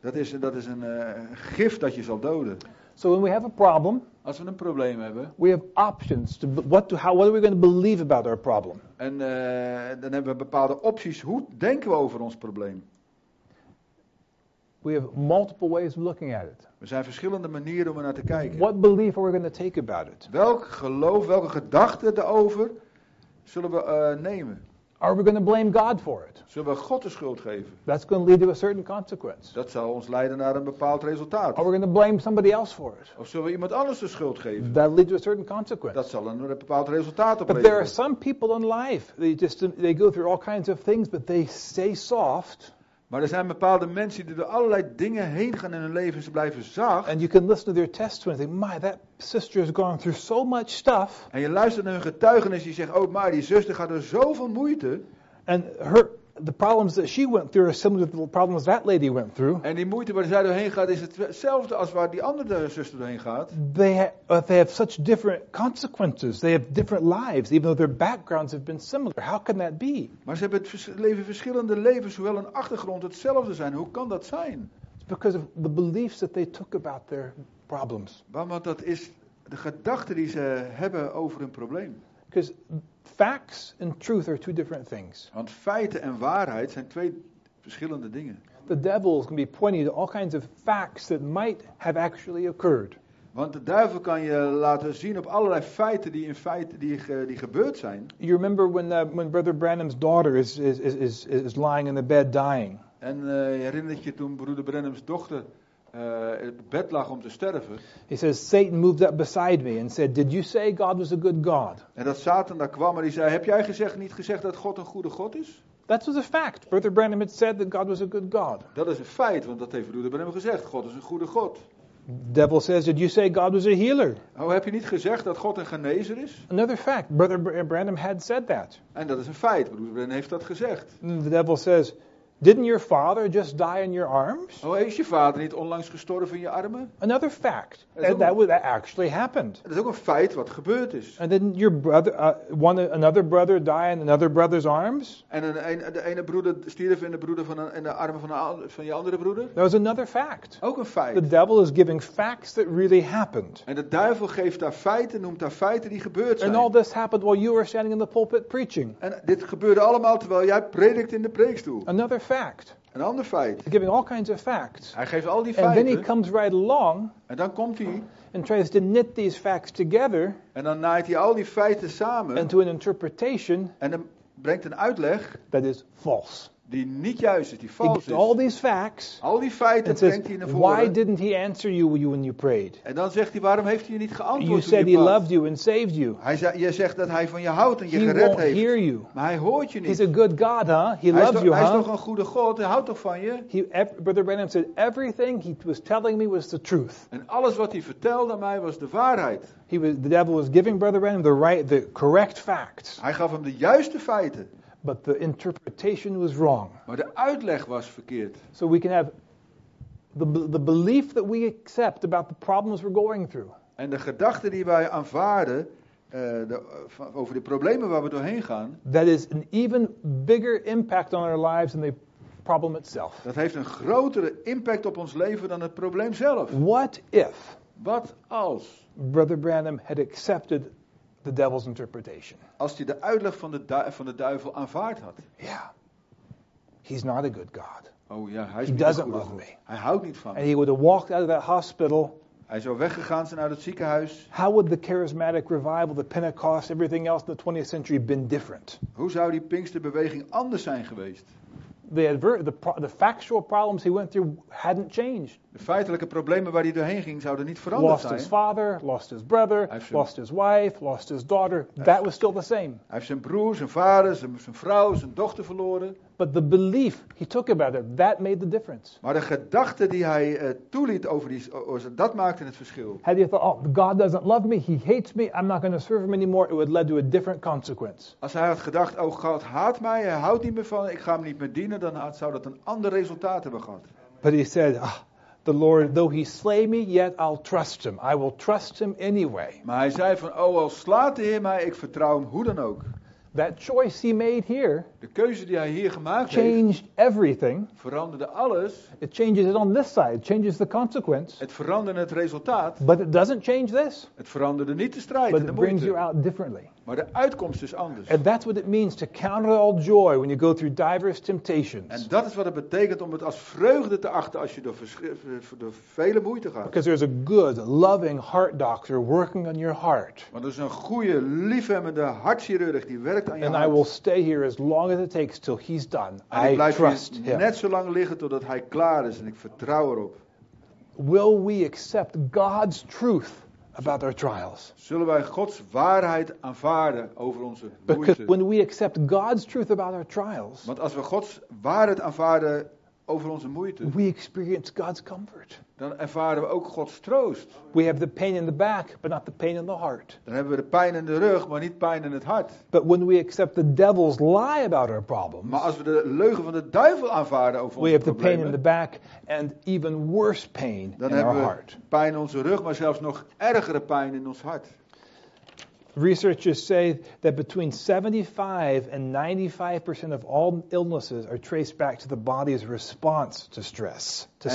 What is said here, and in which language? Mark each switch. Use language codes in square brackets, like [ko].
[nl] Dat is een gif dat je zal doden. [en] So when we have a problem, [nl] als we een probleem hebben, [en] we have options to what are we going to believe about our problem? [nl] En dan hebben we bepaalde opties. Hoe denken we over ons probleem? [en] We have multiple ways of looking at it. [nl] We zijn verschillende manieren om er naar te kijken. [en] What belief are we going to take about it? [nl] Welk geloof, welke gedachten erover zullen we nemen? [en] Are we going to blame God for it? [nl] Zullen we God de schuld geven? [en] That's going to lead to a certain consequence. [nl] Dat zal ons leiden naar een bepaald resultaat. [en] Are we going to blame somebody else for it? [nl] Of zullen we iemand anders de schuld geven? [en] That leads to a certain consequence. [nl] Dat zal een bepaald resultaat opleveren. [en] But there are some people in life, they go through all kinds of things, but they stay soft. [nl] Maar er zijn bepaalde mensen die door allerlei dingen heen gaan in hun leven, ze blijven zacht. [en] And you can listen to their testimony and think, my, that sister has gone through so much stuff. [nl] En je luistert naar hun getuigenis en je zegt, oh, maar die zuster gaat door zoveel moeite. [en] And her, the problems that she went through are similar to the problems that lady went through. [nl] En die moeite waar zij doorheen gaat is hetzelfde als waar die andere zuster doorheen gaat. [en] They have such different consequences. They have different lives, even though their backgrounds have been similar. How can that be? [nl] Maar ze hebben leven verschillende levens, hoewel hun achtergrond hetzelfde zijn. Hoe kan dat zijn? [en] It's because of the beliefs that they took about their problems. [nl] Want dat is de gedachte die ze hebben over hun probleem. [en] Because facts and truth are two different things. [nl] Want feiten en waarheid zijn twee verschillende dingen. [en] The devil can be pointing to all kinds of facts that might have actually occurred. [nl] Want de duivel kan je laten zien op allerlei feiten die in feite die gebeurd zijn. [en] You remember when Brother Branham's daughter is lying in the bed dying. [nl] En herinner je toen Broeder Branham's dochter het bed lag om te sterven. [en] He says, Satan moved up beside me and said, did you say God was a good God? [nl] En dat Satan daar kwam en die zei, heb jij gezegd, niet gezegd dat God een goede God is? [en] That was a fact. Brother Branham had said that God was a good God. [nl] Dat is een feit, want dat heeft Broeder Branham gezegd. God is een goede God. [en] Devil says, did you say God was a healer? [nl] Oh, heb je niet gezegd dat God een genezer is? [en] Another fact. Brother Branham had said that. [nl] En dat is een feit. Broeder Branham heeft dat gezegd. [en] And the devil says, didn't your father just die in your arms? [nl] Oh, is je vader niet onlangs gestorven in je armen? [en] Another fact. And that actually happened. [nl] Dat is ook een feit wat gebeurd is. [en] And didn't your brother, another brother die in another brother's arms? [nl] En de ene broeder stierf in de armen van je andere broeder? [en] That was another fact. [nl] Ook een feit. [en] The devil is giving facts that really happened. [nl] En de duivel geeft daar feiten, noemt daar feiten die gebeurd zijn. [en] And all this happened while you were standing in the pulpit preaching. [nl] En dit gebeurde allemaal terwijl jij predikt in de preekstoel. [en] Fact. [nl] Een ander feit. [en] He's giving all kinds of facts. [nl] Hij geeft al die [en] and [nl] feiten. [en] And then he comes right along. [nl] En dan komt hij. [en] And tries to knit these facts together. [nl] En dan naait hij al die feiten samen. [en] Into an interpretation. [nl] En dan brengt een uitleg. [en] That is false. [nl] Die niet juist is, die vals is. [en] All these facts. [nl] Al die feiten [en] and says, [nl] brengt hij naar voren. [en] Why didn't he answer you when you prayed? [nl] En dan zegt hij, waarom heeft hij je niet geantwoord? [en] You said he loved you and saved you. [nl] Je zegt dat hij van je houdt en je gered heeft. [en] He won't hear you. [nl] Maar hij hoort je niet. [en] He's a good God, huh? He loves you, huh? [nl] Hij is toch een goede God? Hij houdt toch van je? [en] Brother Branham said, everything he was telling me was the truth. [nl] En alles wat hij vertelde aan mij was de waarheid. [en] The devil was giving Brother Branham the correct facts. [nl] Hij gaf hem de juiste feiten. [en] But the interpretation was wrong. [nl] Maar de uitleg was verkeerd. [en] So we can have the belief that we accept about the problems we're going through. [nl] En de gedachte die wij aanvaarden over de problemen waar we doorheen gaan. [en] That is an even bigger impact on our lives than the problem itself. [nl] Dat heeft een grotere impact op ons leven dan het probleem zelf. [en] What if? [nl] Wat als? [en] Brother Branham had accepted the devil's interpretation. [nl] Als hij de uitleg van de duivel aanvaard had. [en] Yeah. He's not a good God. [nl] Oh ja, hij is [en] he [nl] niet [en] doesn't [nl] een goede [en] love [nl] God. [en] Me. [nl] Hij houdt niet van me. [en] And he would have walked out of that hospital. [nl] Hij zou weggegaan zijn uit het ziekenhuis. [en] How would the charismatic revival, the Pentecost, everything else in the 20th century been different? [nl] Hoe zou die Pinksterbeweging anders zijn geweest? [en] The factual problems he went through hadn't changed. [nl] De feitelijke problemen waar hij doorheen ging zouden niet veranderd zijn. [en] Lost his father, lost his brother, lost his wife, lost his daughter. That was still the same. [nl] Hij heeft zijn broer, zijn vader, zijn vrouw, zijn dochter verloren. [en] But the belief he took about it, that made the difference. [nl] Maar de gedachte die hij toeliet over die, dat maakte het verschil. Had hij [en] thought, oh, God doesn't love me, he hates me, I'm not going to serve him anymore, it would lead to a different consequence. [nl] Als hij had gedacht, oh, God haat mij, hij houdt niet meer van, ik ga hem niet meer dienen, dan zou dat een ander resultaat hebben gehad. [en] But he said, oh, the Lord, though he slay me, yet I'll trust him. I will trust him anyway. [nl] Maar hij zei van, oh, al slaat de Heer mij, ik vertrouw hem hoe dan ook. [en] That choice he made here, [nl] de keuze die hij hier gemaakt [en] changed [nl] heeft, [en] everything. [nl] Veranderde alles. [en] It changes it on this side. It changes the consequence. [nl] Het veranderde het resultaat. [en] But it doesn't change this. [nl] Het veranderde niet de strijd [en] but [nl] en de [en] brings [nl] moeite. [en] You out differently. [nl] Maar de uitkomst is anders. [en] And that's what it means to counter all joy when you go through diverse temptations. [nl] En dat is wat het betekent om het als vreugde te achten als je door vele moeite gaat. [en] Because there's a good, loving heart doctor working on your heart. [nl] Want er is een goede, liefhebbende hartchirurg die werkt aan je hart. [en] And I will stay here as long as it takes till he's done. I trust him. [nl] Ik blijf net zo lang liggen totdat hij klaar is en ik vertrouw erop. [en] Will we accept God's truth about our trials? [nl] Zullen wij Gods waarheid aanvaarden over onze moeite? [en] Because when we accept God's truth about our trials, [nl] want als we Gods waarheid aanvaarden over onze moeite, [en] we experience God's comfort. [nl] Dan ervaren we ook Gods troost. [en] We have the pain in the back, but not the pain in the heart. [nl] Dan hebben we de pijn in de rug, maar niet pijn in het hart. [en] But when we accept the devil's lie about our problems, [nl] maar als we de leugen van de duivel aanvaarden over onze problemen, [en] we have the pain in the back and even worse pain in our heart. [nl] Dan hebben we pijn in onze rug, maar zelfs nog ergere pijn in ons hart. [en] Researchers say that between 75 and 95% of all illnesses are traced back to the body's response to stress.